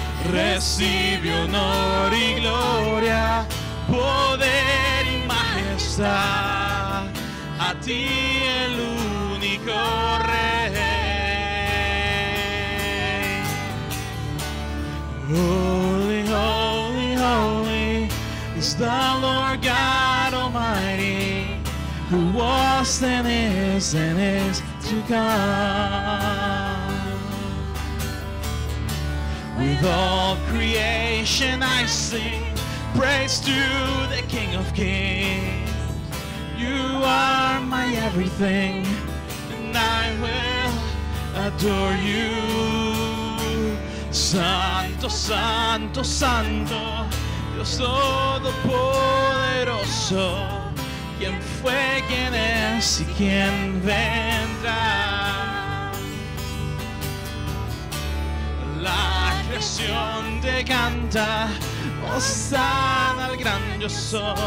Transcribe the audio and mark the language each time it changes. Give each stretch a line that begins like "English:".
Spanish: Recibe honor y gloria, poder y majestad, a ti el único rey.
English: Holy, holy, holy is the Lord God Almighty, who was and is to come. With all creation I sing praise to the King of Kings. You are my everything, and I will adore you.
Spanish: Santo, santo, santo, Dios todopoderoso, ¿quién fue, quién es y quién vendrá? La creación te canta, hosana al gran yo soy.